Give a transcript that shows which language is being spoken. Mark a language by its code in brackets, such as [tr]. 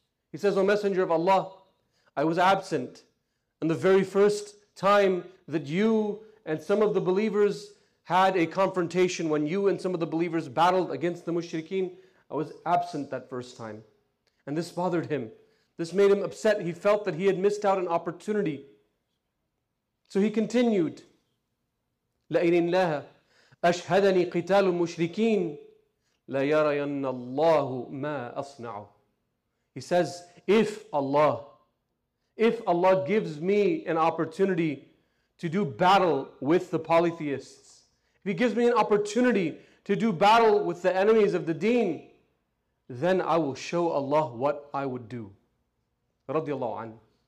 [en] He says, "O Messenger of Allah, I was absent, and the very first time that you and some of the believers had a confrontation, when you and some of the believers battled against the mushrikeen, I was absent that first time." And this bothered him. This made him upset. He felt that he had missed out an opportunity. So he continued, [ar] لَإِنِ اللَّهَ أَشْهَدَنِي قِتَالُ مُشْرِكِينَ لَيَرَيَنَّ اللَّهُ مَا أَصْنَعُ. [en] He says, if Allah gives me an opportunity to do battle with the polytheists, if He gives me an opportunity to do battle with the enemies of the deen, then I will show Allah what I would do. Radiallahu anhu.